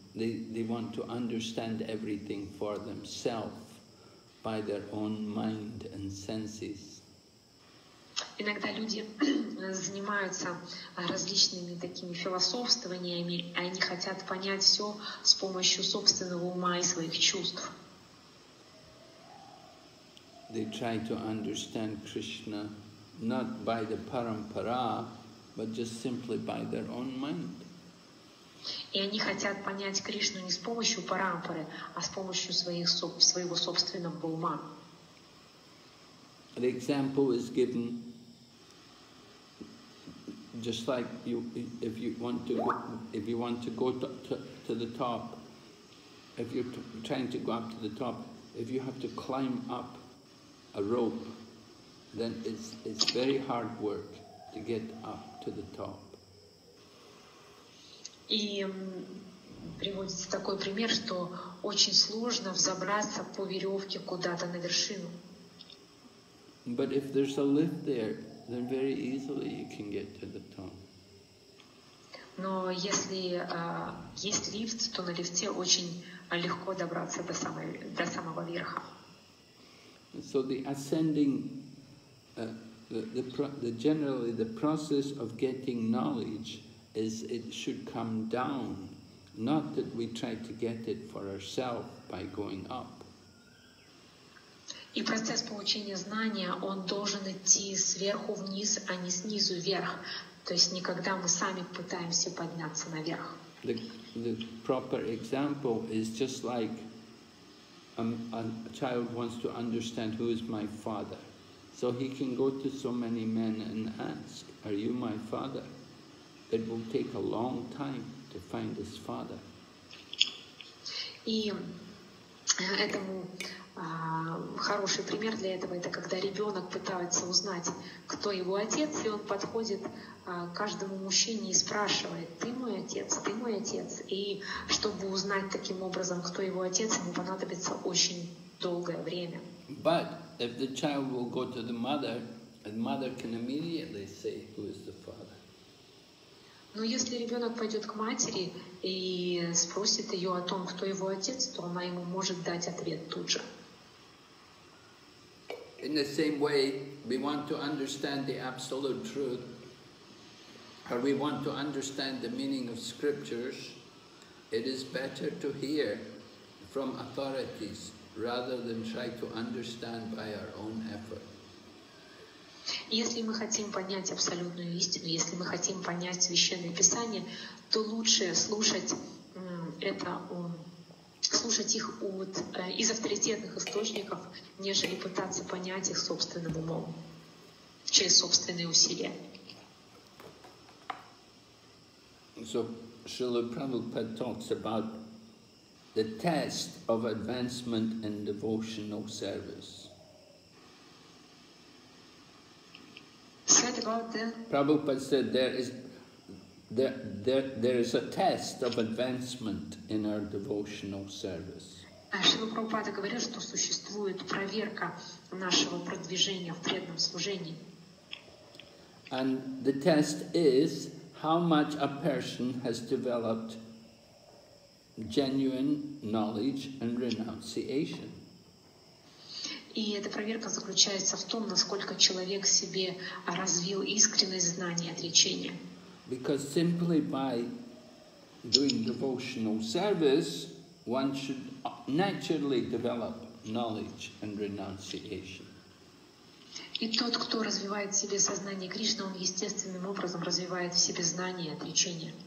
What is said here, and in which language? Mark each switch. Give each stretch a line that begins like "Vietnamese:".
English: They want to understand everything for themselves by their own mind and senses.
Russian: Иногда люди занимаются различными такими философствованиями, и они хотят понять все с помощью собственного ума и своих чувств.
English: They try to understand Krishna not by the parampara, but just simply by their own mind.
Russian: И они хотят понять Кришну не с помощью парампары, а с помощью своего собственного ума.
English: The example is given. Just like you, if you're trying to go up to the top, if you have to climb up a rope, then it's very hard work to get up to the top.
Russian: И приводится такой пример, что очень сложно взобраться по веревке куда-то на вершину.
English: But if there's a lift there, then very easily you can get to the top.
Russian: Но если есть лифт, то на лифте очень легко добраться до самого верха.
English: So the ascending, the process of getting knowledge is it should come down, not that we try to get it for ourselves by going up.
Russian: И процесс получения знания, он должен идти сверху вниз, а не снизу вверх. То есть никогда мы сами пытаемся подняться наверх.
English: The proper example is just like a child wants to understand who is my father. So he can go to so many men and ask, are you my father? It will take a long time to find his father.
Russian: И этому хороший пример для этого, это когда ребенок пытается узнать, кто его отец, и он подходит каждому мужчине и спрашивает, ты мой отец, и чтобы узнать таким образом, кто его отец, ему понадобится очень долгое время.
English: But if the child will go to the mother, the mother can immediately say who is the father.
Russian: Но если ребенок пойдет к матери и спросит ее о том, кто его отец, то она ему может дать ответ тут же.
English: In the same way, we want to understand the Absolute Truth, or we want to understand the meaning of scriptures, it is better to hear from authorities rather than try to understand by our own effort.
Russian: Если мы хотим понять абсолютную истину, если мы хотим понять Священное Писание, то лучше слушать их из авторитетных источников, нежели пытаться понять их собственным умом, через собственные усилия.
English: So, Srila Prabhupada talks about the test of advancement in devotional service. Prabhupada said there is a test of advancement in our devotional service.
Russian: Шрила Прабхупада говорил, что существует проверка нашего продвижения в преданном служении.
English: And the test is how much a person has developed genuine knowledge and renunciation.
Russian: И эта проверка заключается в том, насколько человек себе развил искренность знания и отречения.
English: Because simply by doing devotional service, one should naturally develop knowledge and renunciation.
Russian: И тот, кто развивает в себе сознание Кришны, он естественным образом развивает в себе знание и отречение.